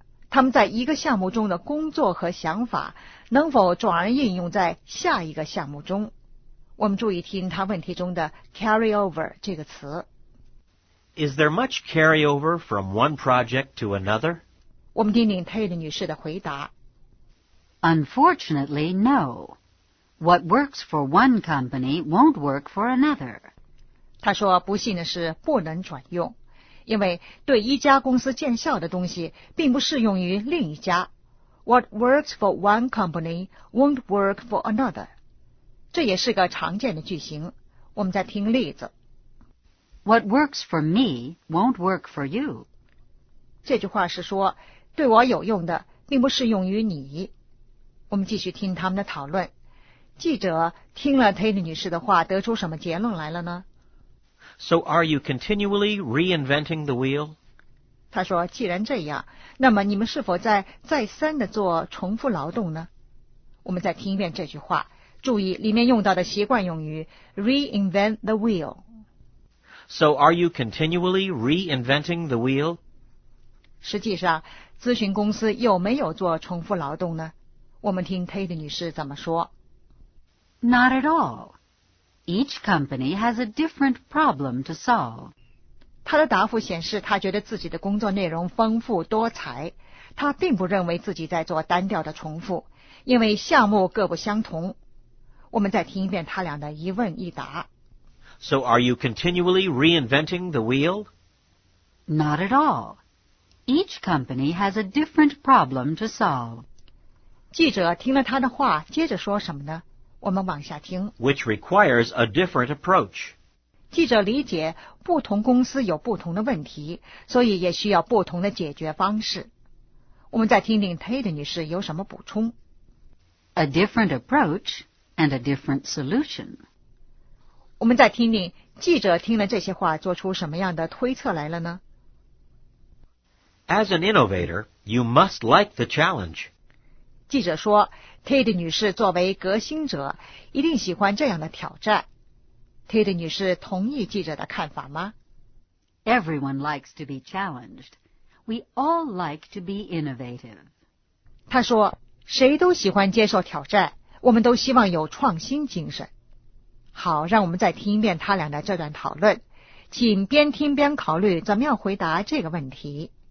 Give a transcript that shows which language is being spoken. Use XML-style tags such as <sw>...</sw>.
<zh>他们在一个项目中的工作和想法能否转而应用在下一个项目中？我们注意听他问题中的 carry over 这个词。</zh> <en>Is there much carry over from one project to another?</en> <zh>我们听听 Tate 女士的回答。</zh> <en>Unfortunately, no. What works for one company won't work for another.</en> <zh>她说不幸的是不能转用。因为对一家公司见效的东西并不适用于另一家。</zh> <en>What works for one company won't work for another.</en> <zh>这也是个常见的句型。我们再听例子。</zh> <en>What works for me won't work for you.</en> <zh>这句话是说对我有用的并不适用于你。我们继续听他们的讨论。记者听了 Tate 女士的话得出什么结论来了呢？</zh> <en>So are you continually reinventing the wheel?</en> <zh>她说既然这样，那么你们是否在再三的做重复劳动呢？我们再听一遍这句话，注意里面用到的习惯用语</zh> <en>reinvent the wheel。 So are you continually reinventing the wheel?</en> <zh>实际上咨询公司有没有做重复劳动呢？我们听 Tate 女士怎么说。</zh> <en>Not at all. Each company has a different problem to solve.</en> <zh>她的答复显示她觉得自己的工作内容丰富多彩，她并不认为自己在做单调的重复，因为项目各不相同。我们再听一遍她俩的一问一答。</zh> <en>So are you continually reinventing the wheel? Not at all. Each company has a different problem to solve.</en> <zh>记者听了她的话接着说什么呢？我们往下听。</zh> <en>Which requires a different approach.</en> <zh>记者理解不同公司有不同的问题，所以也需要不同的解决方式。我们再听听 Tate 女士有什么补充。</zh> <en>A different approach and a different solution.</en> <zh>我们再听听记者听了这些话做出什么样的推测来了呢？</zh> <en>As an innovator, you must like the challenge.</en> <zh>记者说Tate 女士作为革新者一定喜欢这样的挑战。 Tate 女士同意记者的看法吗？</zh> <en>Everyone likes to be challenged. We all like to be innovative.</en> <zh>她说谁都喜欢接受挑战，我们都希望有创新精神。好，让我们再听一遍他俩的这段讨论，请边听边考虑怎么样回答这个问题。</zh>